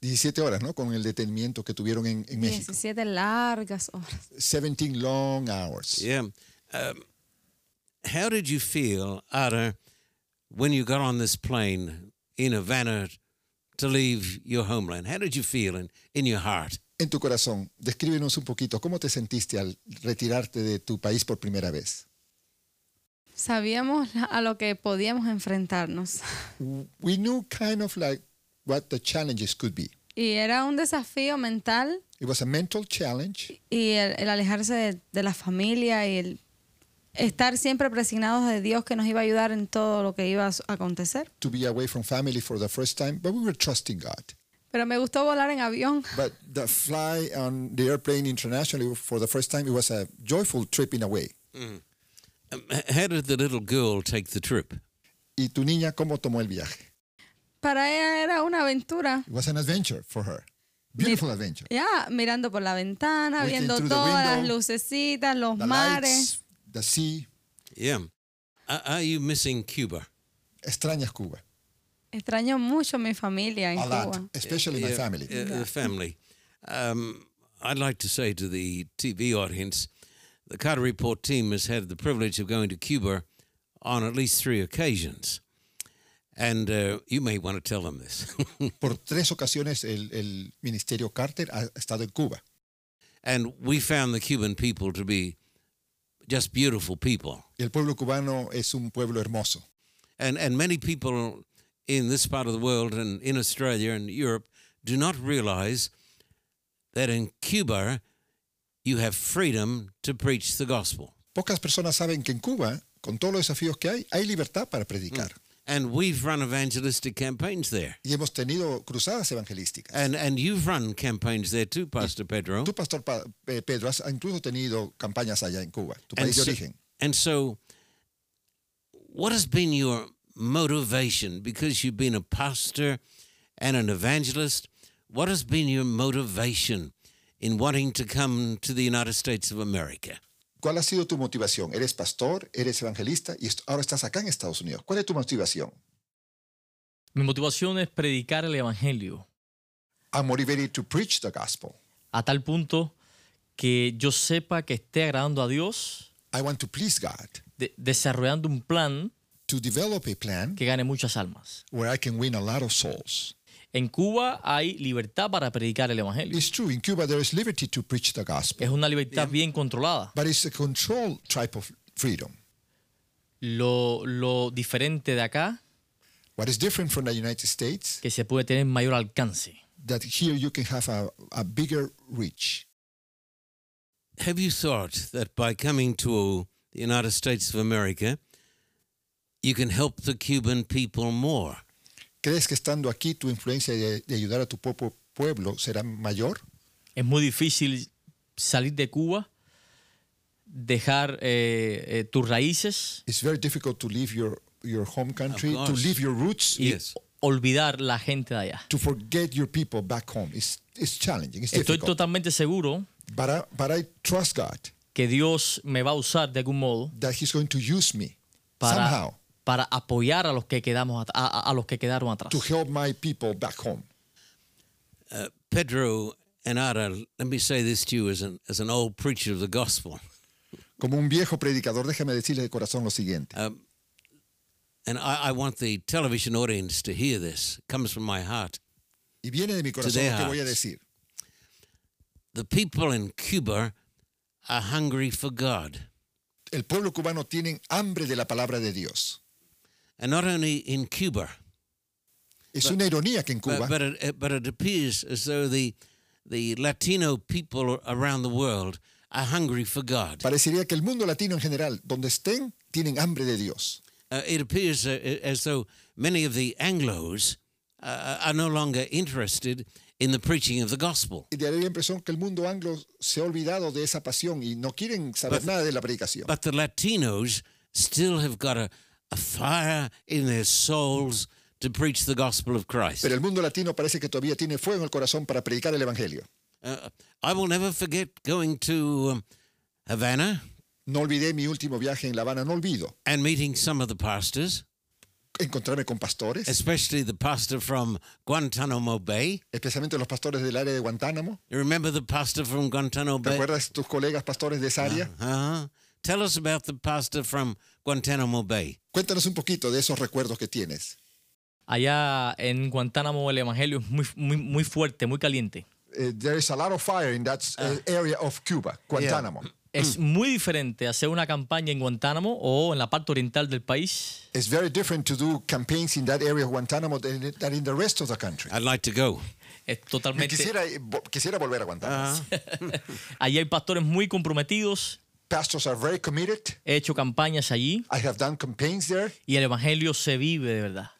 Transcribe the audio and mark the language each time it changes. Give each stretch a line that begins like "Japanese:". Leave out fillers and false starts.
Spanish: 17 horas, ¿no? Con el detenimiento que tuvieron en México. 17 largas horas.
English: 17 long hours. Yeah. How did you feel, Ada, when you got on this plane in Havana to leave your homeland? How did you feel in your heart?
Spanish: En tu corazón, descríbenos un poquito, ¿cómo te sentiste al retirarte de tu país por primera vez? Sabíamos a lo que podíamos enfrentarnos.
English: We knew kind of like what the challenges could be.
Spanish: Y era un desafío mental.
English: It was a mental challenge.
Spanish: Y el alejarse de la familia y el estar siempre presignados de Dios que nos iba a ayudar en todo lo que iba a acontecer.
English: To be away from family for the first time, but we were trusting God.
Spanish: Pero me gustó volar en avión.
English: But the fly on the airplane internationally for the first time, it was a joyful trip in a way. Mm. How did the little girl take the trip?
Spanish: ¿Y tu niña cómo tomó el viaje? Para ella era una aventura.
English: It was an adventure for her. Beautiful adventure.
Spanish: Yeah, mirando por la ventana,
English: looking
Spanish: viendo todas
English: window,
Spanish: las lucecitas, los
English: the
Spanish: mares.
English: Lights, the sea. Yeah. Are you missing Cuba?
Spanish: ¿Extrañas Cuba? Extraño mucho mi familia en
English: a
Spanish: Cuba.
English: Lot, especially my family. Family. I'd like to say to the TV audience, the Carter Report team has had the privilege of going to Cuba on at least 3 occasions. And you may want to tell them this.
Spanish: Por 3 ocasiones el Ministerio Carter ha estado en Cuba.
English: And we found the Cuban people to be just beautiful people.
Spanish: El pueblo cubano es un pueblo hermoso.
English: And many people in this part of the world and in Australia and Europe do not realize that in Cuba you have freedom to preach the gospel.
Spanish: Pocas personas saben que en Cuba, con todos los desafíos que hay libertad para predicar.
English: And we've run evangelistic campaigns there.
Spanish: Y hemos tenido cruzadas evangelísticas.
English: And you've run campaigns there too, Pastor Pedro.
Spanish: Tú, Pastor Pedro, has incluso tenido campañas allá en Cuba, tu país de origen.
English: And so what has been your motivation? Because you've been a pastor and an evangelist, what has been your motivation in wanting to come to the United States of America?
Spanish: ¿Cuál ha sido tu motivación? Eres pastor, eres evangelista y ahora estás acá en Estados Unidos. ¿Cuál es tu motivación? Mi motivación es predicar el evangelio.
English: I'm motivated to preach the gospel.
Spanish: A tal punto que yo sepa que esté agradando a Dios.
English: I want to please God.
Spanish: Desarrollando un plan.
English: To develop a plan.
Spanish: Que gane muchas almas.
English: Where I can win a lot of souls.
Spanish: En Cuba hay libertad para predicar el evangelio.
English: It's true. In Cuba there is liberty to preach the gospel.
Spanish: Es una libertad bien controlada.
English: But it's a controlled type of freedom.
Spanish: Lo diferente de acá.
English: What is different from the United States?
Spanish: Que se puede tener mayor alcance.
English: That here you can have a bigger reach. Have you thought that by coming to the United States of America, you can help the Cuban people more?
Spanish: ¿Crees que estando aquí tu influencia de ayudar a tu propio pueblo será mayor? Es muy difícil salir de Cuba, dejar tus raíces.
English: It's very difficult to leave your home country, to leave your roots.
Spanish: Yes. Olvidar la gente de allá.
English: To forget your people back home. It's challenging. It's
Spanish: Estoy
English: difficult.
Spanish: Totalmente seguro.
English: But I trust God.
Spanish: Que Dios me va a usar de algún modo.
English: That he's going to use me. Somehow.
Spanish: Para apoyar a los que quedamos a los que quedaron atrás.
English: To help my people back home. Pedro and Ara, let me say this to you as an old preacher of the gospel.
Spanish: Como un viejo predicador, déjame decirle de corazón lo siguiente.
English: And I want the television audience to hear this. It comes from my heart.
Spanish: Y viene de mi corazón,
English: to their hearts.
Spanish: Lo que voy a decir.
English: The people in Cuba are hungry for God.
Spanish: El pueblo cubano tiene hambre de la palabra de Dios.
English: And not only in Cuba.
Spanish: Es una ironía que en Cuba.
English: But it appears as though the Latino people around the world are hungry for God.
Spanish: Parecería que el mundo latino en general, donde estén, tienen hambre de Dios.
English: It appears as though many of the Anglos are no longer interested in the preaching of the gospel.
Spanish: Y daría la impresión que el mundo anglo se ha olvidado de esa pasión y no quieren saber nada de la predicación.
English: But the Latinos still have got a fire in their souls to preach the gospel of Christ.
Spanish: Pero el mundo latino parece que todavía tiene fuego en el corazón para predicar el evangelio.
English: I will never forget going to Havana.
Spanish: No olvidé mi último viaje en La Habana, no olvido.
English: And meeting some of the pastors.
Spanish: Encontrarme con pastores.
English: Especially the pastor from Guantanamo Bay.
Spanish: Especialmente los pastores del área de Guantánamo.
English: You remember the pastor from Guantanamo Bay?
Spanish: ¿Te acuerdas tus colegas pastores de esa área? Uh-huh.
English: Tell us about the pastor from Guantanamo Bay.
Spanish: Cuéntanos un poquito de esos recuerdos que tienes. Allá en Guantánamo el evangelio es muy, muy, muy fuerte, muy caliente.
English: There is a lot of fire in that area of Cuba, Guantánamo. Yeah.
Spanish: Es muy diferente hacer una campaña en Guantánamo o en la parte oriental del país.
English: It's very different to do campaigns in that area of Guantánamo than in the rest of the country. I'd like to go.
Spanish: Es totalmente. Quisiera volver a Guantánamo. Uh-huh. Allí hay pastores muy comprometidos.
English: Pastors are very committed.
Spanish: He hecho campañas allí.
English: I have done campaigns there.
Spanish: Y el evangelio se vive de verdad.